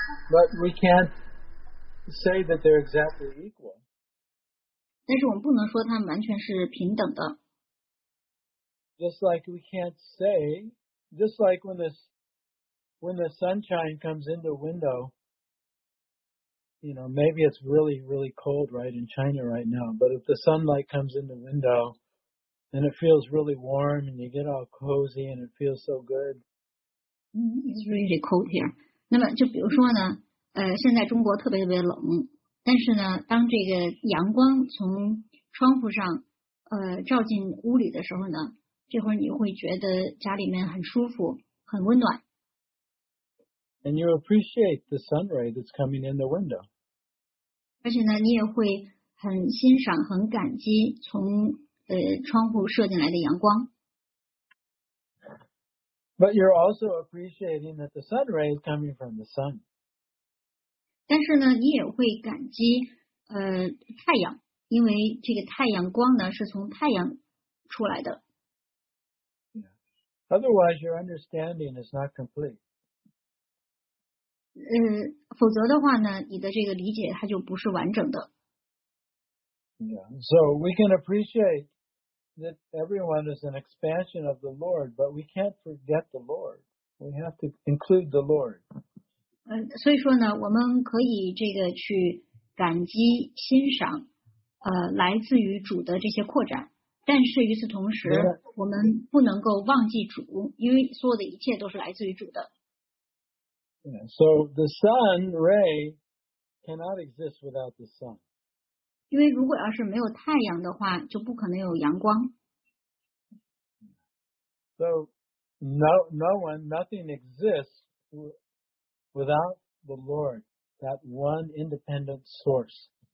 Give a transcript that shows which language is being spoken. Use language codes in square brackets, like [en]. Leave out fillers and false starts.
[en] But we can't say that they're exactly equal. [zh] 但是我们不能说它们完全是平等的。 [en] Just like we can't say, just like when the sunshine comes in the window, you know, maybe it's really, really cold right in China right now, but if the sunlight comes in the window and it feels really warm and you get all cozy and it feels so good. It's really cold here. [zh] 那么就比如说呢，现在中国特别特别冷，但是呢，当这个阳光从窗户上照进屋里的时候呢，这会儿你会觉得家里面很舒服，很温暖。 [en] And you appreciate the sun ray that's coming in the window. [zh] 而且呢，你也会很欣赏、很感激从窗户射进来的阳光。 [en] But you're also appreciating that the sun ray is coming from the sun. [zh] 但是呢，你也会感激太阳，因为这个太阳光呢是从太阳出来的。 [en] Otherwise, your understanding is not complete. [zh] 否则的话呢，你的这个理解它就不是完整的。 [en] Yeah. So we can appreciate that everyone is an expansion of the Lord, but we can't forget the Lord. We have to include the Lord. [zh] 所以说呢，我们可以这个去感激欣赏，来自于主的这些扩展。但是与此同时， yeah. 我们不能够忘记主，因为所有的一切都是来自于主的。 Yeah. [en] So the sun ray cannot exist without the sun. [zh] 因为如果要是没有太阳的话，就不可能有阳光。 [en] So no one, nothing exists without the Lord, that one independent source.